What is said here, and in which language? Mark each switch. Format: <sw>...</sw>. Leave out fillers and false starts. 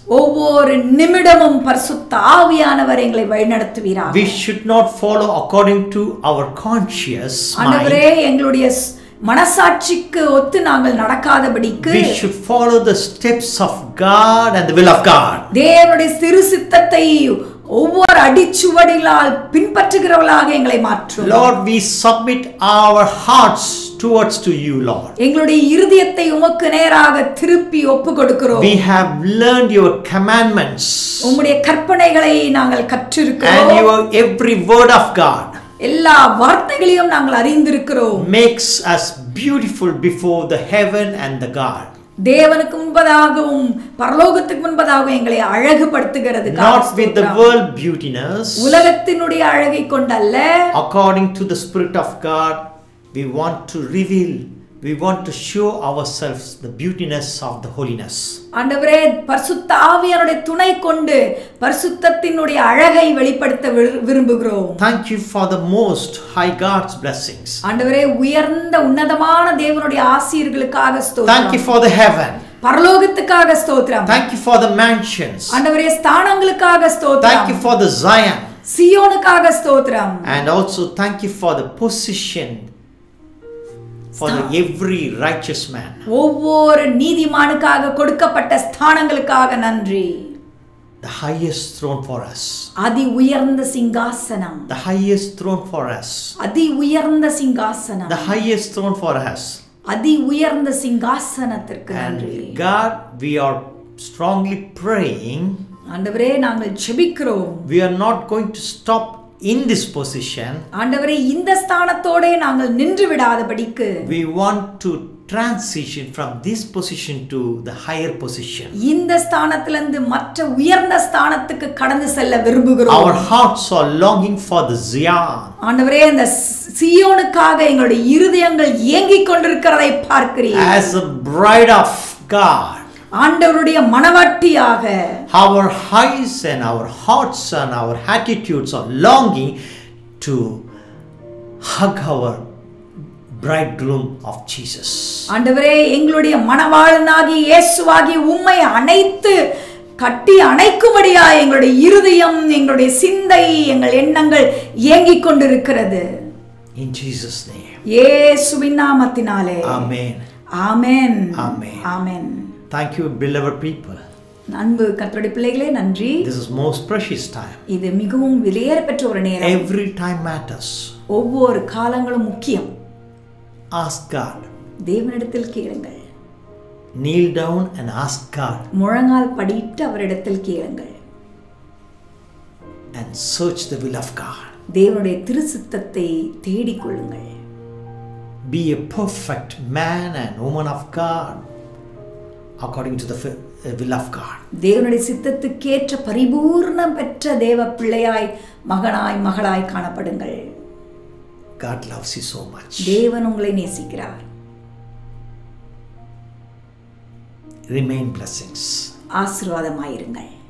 <ta>ஒவ்வொரு நிமிடமும் பரிசுத்த ஆவியானவர் எங்களை வழிநடத்துவீராக</ta> <en>we should not follow according to our conscious mind</en> <ta>ஆண்டவரே எங்களுடைய மனசாட்சிக்கு ஒத்து நாங்கள் நடக்காதபடிக்கு</ta> <en>we should follow the steps of god and the will of god</en> <ta>தேவனுடைய சிறு சித்தத்தை ஒவ்வொரு அடிச்சுவடிகளால் பின்பற்றுகிறவளாக எங்களை மாற்றும்</ta> <en>lord we submit our hearts towards to you lord</en> <ta>எங்களுடைய இதயத்தை உமக்கு நேராக திருப்பி ஒப்புக்கொடுக்கிறோம்</ta> <en>we have learned your commandments</en> <ta>உம்முடைய கற்பனைகளை நாங்கள் கற்றிருக்கிறோம்</ta> <en>and your every word of god</en> <ta>எல்லா வார்த்தைகளையும் நாங்கள் அறிந்திருக்கிறோம்</ta> <en>makes us beautiful before the heaven and the god</en> <ta>தேவனுக்கு முன்பதாகவும் பரலோகத்துக்கு முன்பதாகவும் எங்களை அழகுபடுத்துகிறது</ta> <en>not with the world beautiness</en> <ta>உலகத்தினுடைய அழகை கொண்டல்ல</ta> <en>according to the spirit of god we want to reveal we want to show ourselves the beautiness of the holiness</en> <ta>ஆண்டவரே பரிசுத்த ஆவியானவருடைய துணை கொண்டு பரிசுத்தத்தினுடைய அழகை வெளிப்படுத்த விரும்புகிறோம்</ta> <en>thank you for the most high god's blessings</en> <ta>ஆண்டவரே உயர்ந்த உன்னதமான தேவனுடைய ஆசீர்களுக்காக ஸ்தோத்திரம்</ta> <en>thank you for the heaven</en> <ta>பரலோகத்துக்காக ஸ்தோத்திரம்</ta> <en>thank you for the mansions</en> <ta>ஆண்டவரே ஸ்தானங்களுக்காக ஸ்தோத்திரம்</ta> <en>thank you for the zion</en> <ta>சியோனுக்காக ஸ்தோத்திரம்</ta> <en>and also thank you for the position for every righteous man</en> <ta>ஒவ்வொரு நீதிமானுக்காக கொடுக்கப்பட்ட ஸ்தானங்களுக்காக நன்றி</ta> <en>the highest throne for us</en> <ta>அதி உயர்ந்த சிங்காசனம்</ta> <en>the highest throne for us</en> <ta>அதி உயர்ந்த சிங்காசனம்</ta> <en>the highest throne for us</en> <ta>அதி உயர்ந்த சிங்காசனத்திற்கு நன்றி.</ta> <en>God, we are strongly praying.</en> <ta>ஆண்டவரே நாங்கள் ஜெபிக்கிறோம்.</ta> <en>We are not going to stop in this position.</en> <ta>ஆண்டவரே இந்த ஸ்தானத்தோட நாங்கள் நின்று விடாதபடிக்கு.</ta> <en>We want to transition from this position to the higher position.</en> <ta>இந்த ஸ்தானத்திலிருந்து மற்ற உயர்ந்த ஸ்தானத்துக்கு கடந்து செல்ல விரும்புகிறோம்.</ta> <en>Our hearts are longing for the Zion.</en> <ta>ஆண்டவரே அந்த சியோனுக்காக எங்களுடைய இருதயங்கள் ஏங்கிக் கொண்டிருக்கிறதை பார்க்கிறீர்கள்.</ta> <en>As a bride of God.</en> <ta>ஆண்டவருடைய மனவாட்டியாக.</ta> <en>Our eyes and our hearts and our attitudes are longing to hug our bridegroom of Jesus.</en> <ta>ஆண்டவரே எங்களுடைய மனவாளனாகி இயேசுவாகி உம்மை அணைத்து கட்டி அணைக்கும்படியாக எங்களுடைய இருதயம் எங்களுடைய சிந்தை எங்கள் எண்ணங்கள் ஏங்கிக் கொண்டிருக்கிறது.</ta> <en>In Jesus' name.</en> <ta>இயேசுவின் நாமத்தினாலே.</ta> <en>Amen. Amen. Amen. Amen. Thank you, beloved people.</en> <ta>அன்பு கர்த்தருடைய பிள்ளைகளே நன்றி.</ta> <en>This is most precious time.</en> <ta>இது மிகவும் விலையேறப்பெற்ற ஒரு நேரம்.</ta> <en>Every time matters.</en> <ta>ஒவ்வொரு காலங்களும் முக்கியம்.</ta> <en>Ask God.</en> <ta>தேவனிடத்தில் கேளுங்கள்.</ta> <en>Kneel down and ask God.</en> <ta>முழங்கால் படிட்டு அவரிடத்தில் கேளுங்கள்.</ta> <en>And search the will of God.</en> <ta>தேவனுடைய திருசித்தத்தை தேடிக் கொள்ளுங்கள்.</ta> <en>Be a perfect man and woman of God according to the will of God.</en> <ta>தேவனுடைய சித்தத்துக்கேற்ற பரிபூர்ணம் பெற்ற தேவ பிள்ளையாய் மகனாய் மகளாய் காணப்படுங்கள்.</ta> <en>God loves you so much.</en> <ta>தேவன் உங்களை நேசிக்கிறார்.</ta> <en>Remain blessings.</en> <ta>ஆசீர்வாதமாயிருங்கள்.</ta>